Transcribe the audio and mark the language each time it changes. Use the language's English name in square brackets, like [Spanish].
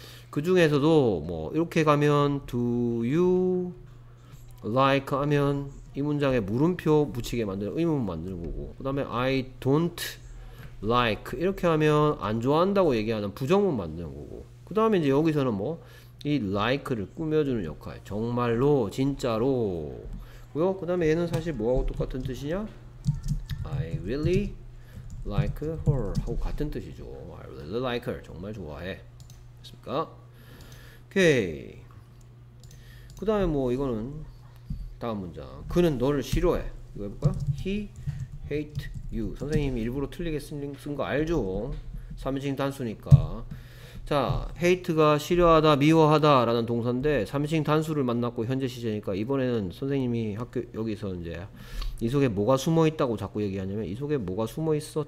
[Korean] 그 중에서도 뭐 이렇게 가면 [English] do you like [Korean] 하면 이 문장에 물음표 붙이게 만드는 의문 만드는 거고, 그 다음에 [English] I don't like [Korean] 이렇게 하면 안 좋아한다고 얘기하는 부정문 만드는 거고, 그 다음에 이제 여기서는 뭐이 like를 꾸며주는 역할, 정말로 진짜로 고요. 그 다음에 얘는 사실 뭐하고 똑같은 뜻이냐? [English] I really like her [Korean] 하고 같은 뜻이죠. [English] I really like her, [Korean] 정말 좋아해. 됐습니까? 오케이. 그 다음에 뭐 이거는 다음 문장. 그는 너를 싫어해. 이거 해볼까요? [English] He hate you. [Korean] 선생님이 일부러 틀리게 쓴거 알죠? 3인칭 단수니까. 자, hate가 싫어하다, 미워하다라는 동사인데 3인칭 단수를 만났고 현재 시제니까 이번에는 선생님이 학교 여기서 이제 이 속에 뭐가 숨어 있다고 자꾸 얘기하냐면 이 속에 뭐가 숨어 있어?